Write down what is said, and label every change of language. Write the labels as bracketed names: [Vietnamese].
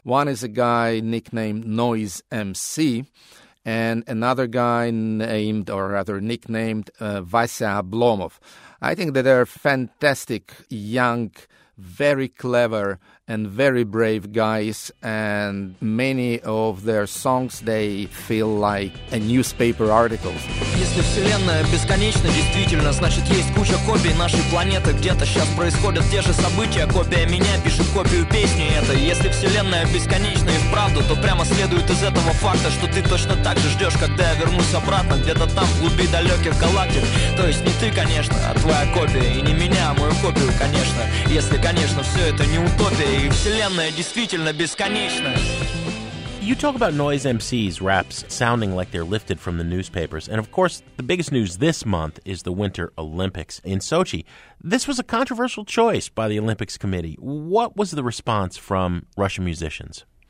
[English] One is a guy nicknamed Noise MC, and another guy named, or rather nicknamed, Vasya Oblomov. I think that they're fantastic, young, very clever, and very brave guys, and many of their songs, they feel like a newspaper article. [Russian] Если вселенная бесконечна, действительно, значит, есть куча копий нашей планеты. Где-то сейчас происходят те же события. Копия меня пишет копию песни этой. Если вселенная бесконечна и вправду, то прямо следует из этого факта, что ты точно так же ждешь, когда я вернусь обратно. Где-то там, в глуби далеких галактик. То есть не ты, конечно, а твоя копия. И не меня, а мою копию, конечно. Если, конечно, все это не утопия. [English] You talk about Noise MC's raps sounding like they're lifted from the newspapers. And of course, the biggest news this month is the Winter Olympics in Sochi. This was a controversial choice by the Olympics Committee. What was the response from Russian musicians?